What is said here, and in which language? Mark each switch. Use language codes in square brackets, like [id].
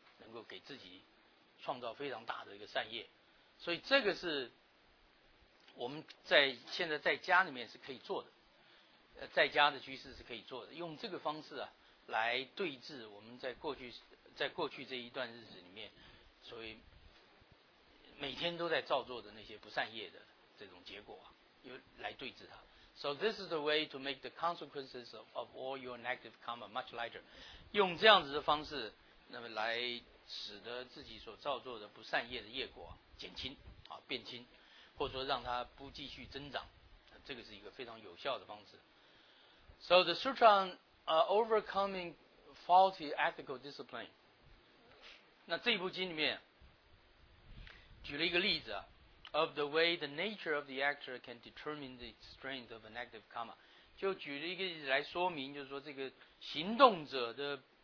[zh] 能够给自己创造非常大的一个善业，所以这个是我们在现在在家里面是可以做的，在家的居士是可以做的，用这个方式啊来对治我们在过去这一段日子里面，所以每天都在造作的那些不善业的这种结果啊，又来对治它。 [en] So this is the way to make the consequences of all your negative karma much lighter. [zh] 用这样子的方式。那么来使得自己所造作的不善业的业果减轻啊，变轻，或者说让它不继续增长，这个是一个非常有效的方式。 [en] So the sutra on overcoming faulty ethical discipline， [zh] 那这部经里面举了一个例子啊 [en] ，of the way the nature of the actor can determine the strength of a negative karma， [zh] 就举了一个例子来说明，就是说这个行动者的。